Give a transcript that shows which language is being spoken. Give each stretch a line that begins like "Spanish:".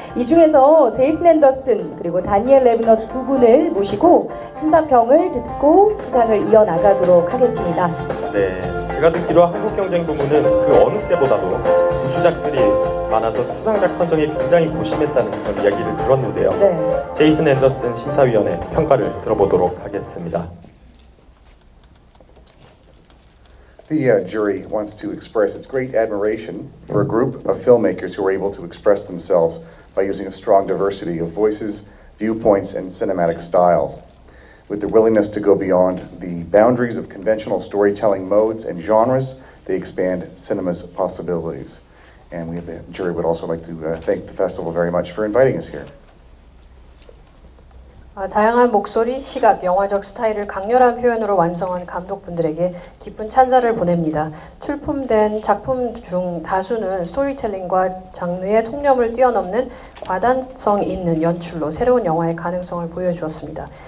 Korean: 이 중에서 제이슨 앤더슨 그리고 다니엘 레브너 두 분을 모시고 심사평을 듣고 수상을 이어나가도록 하겠습니다. 네, 제가 듣기로 한국경쟁 부문은 그 어느 때보다도 우수작들이 많아서 수상작 선정에 굉장히 고심했다는 그런 이야기를 들었는데요. 네. 제이슨 앤더슨 심사위원의 평가를 들어보도록 하겠습니다.
English: The jury wants to express its great admiration for a group of filmmakers who were able to express themselves by using a strong diversity of voices, viewpoints, and cinematic styles. With the willingness to go beyond the boundaries of conventional storytelling modes and genres, they expand cinema's possibilities. And we, the jury, would also like to thank the festival very much for inviting us here.
Korean: 다양한 목소리, 시각, 영화적 스타일을 강렬한 표현으로 완성한 감독분들에게 깊은 찬사를 보냅니다. 출품된 작품 중 다수는 스토리텔링과 장르의 통념을 뛰어넘는 과단성 있는 연출로 새로운 영화의 가능성을 보여주었습니다.